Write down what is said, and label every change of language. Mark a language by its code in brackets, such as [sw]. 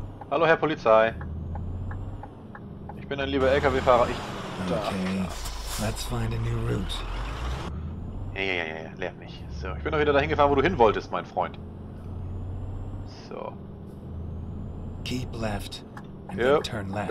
[de] Hallo, Herr Polizei. Ich bin ein lieber LKW-Fahrer. Ich. Da. [en] Okay, let's find a new route. [de] Ja, lehrt mich. So, ich bin doch wieder dahin gefahren, wo du hin wolltest, mein Freund. So. [en] Keep left and then turn left.